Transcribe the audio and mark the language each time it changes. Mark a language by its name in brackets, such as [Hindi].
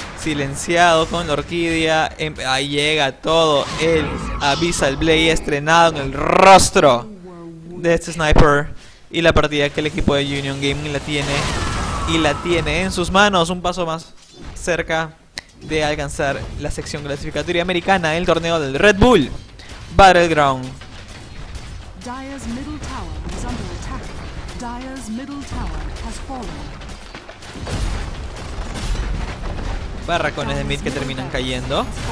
[Spanish] Silenciado con la Orquídea. Ahí llega todo el Abyssal Blade estrenado en el rostro de este Sniper. Y la partida que el equipo de Union Gaming la tiene. Y la tiene en sus manos. Un paso más cerca de alcanzar la sección clasificatoria americana del torneo del Red Bull Battleground. [English] Dire's middle tower is under attack. Dire's middle tower has fallen. [Spanish] Barracones de mid que terminan cayendo.